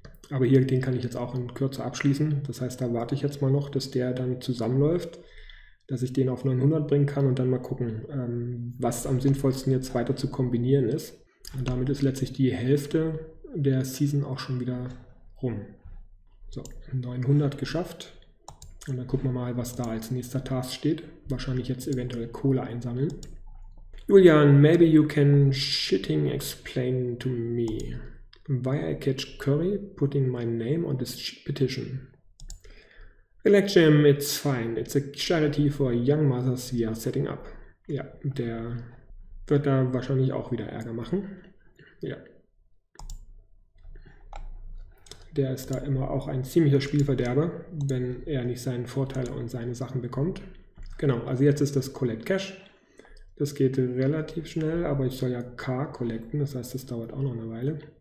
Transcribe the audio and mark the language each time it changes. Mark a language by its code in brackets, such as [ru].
[de] Aber hier, den kann ich jetzt auch in Kürze abschließen. Das heißt, da warte ich jetzt mal noch, dass der dann zusammenläuft, dass ich den auf 900 bringen kann und dann mal gucken, was am sinnvollsten jetzt weiter zu kombinieren ist. Und damit ist letztlich die Hälfte der Season auch schon wieder rum. So, 900 geschafft. Und dann gucken wir mal, was da als nächster Task steht. Wahrscheinlich jetzt eventuell Kohle einsammeln. [en] Julian, maybe you can shitting explain to me why I catch curry putting my name on this petition. Relax, Jim, it's fine. It's a charity for young mothers we are setting up. [de] Ja, der wird da wahrscheinlich auch wieder Ärger machen. Ja. Der ist da immer auch ein ziemlicher Spielverderber, wenn er nicht seinen Vorteil und seine Sachen bekommt. Genau, also jetzt ist das Collect Cash. Das geht relativ schnell, aber ich soll ja K collecten, das heißt, das dauert auch noch eine Weile.